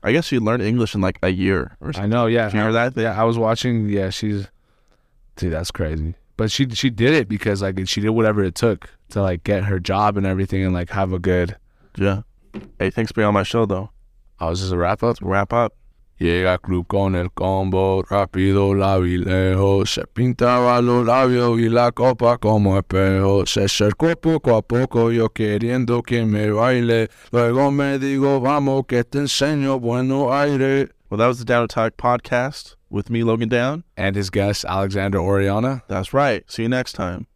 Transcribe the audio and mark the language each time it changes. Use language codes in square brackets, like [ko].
[en] I guess she learned English in like a year or something. I know, yeah. Do you remember that? Yeah, I was watching. Yeah, she's... Dude, that's crazy. But she did it because like she did whatever it took to like get her job and everything and like have a good... Yeah. Hey, thanks for being on my show, though. Oh, is this a wrap-up? Wrap up. [es] Llega club con el combo, rápido la vi lejos. Se pintaba los labios y la copa como espejo. Se acercó poco a poco, yo queriendo que me baile. Luego me digo, vamos, que te enseño bueno aire. [en] Well, that was the Down to Talk podcast with me, Logan Down. And his guest, Alexander Orellana. That's right. See you next time.